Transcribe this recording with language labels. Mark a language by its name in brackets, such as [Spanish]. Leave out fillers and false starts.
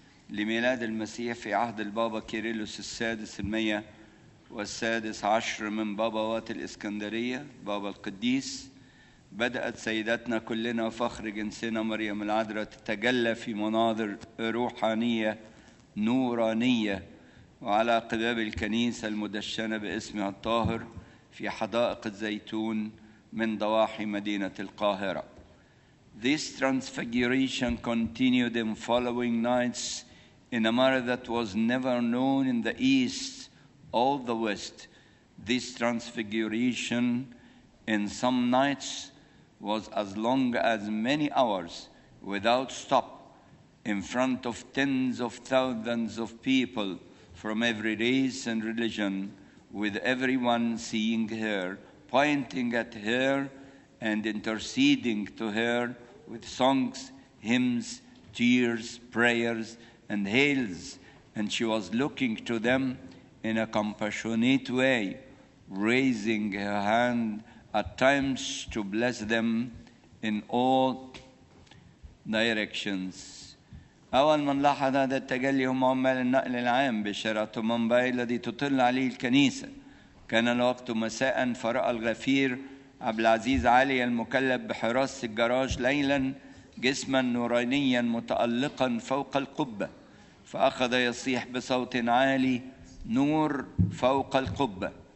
[Arabic] لميلاد المسيح في عهد البابا كيريلوس السادس المية والسادس عشر من باباوات الإسكندرية بابا القديس، بدأت سيدتنا كلنا وفخر جنسنا مريم العذراء تتجلى في مناظر روحانية نورانية وعلى قباب الكنيسة المدشنة باسمها الطاهر في حدائق الزيتون من ضواحي مدينة القاهرة. [English] This transfiguration continued in following nights in a manner that was never known in the East or the West. This transfiguration in some nights was as long as many hours without stop in front of tens of thousands of people from every race and religion, with everyone seeing her, pointing at her, and interceding to her with songs, hymns, tears, prayers, and hails. And she was looking to them in a compassionate way, raising her hand at times to bless them in all directions. [Arabic] أول من لاحظ هذا التجلي هم عمال النقل العام بشارات مومباي الذي تطل عليه الكنيسة. كان الوقت مساء، فرأى الغفير عبد العزيز علي المكلف بحراسة الجراج ليلا جسما نورانيا متألقا فوق القبة، فأخذ يصيح بصوت عالي: نور فوق القبة.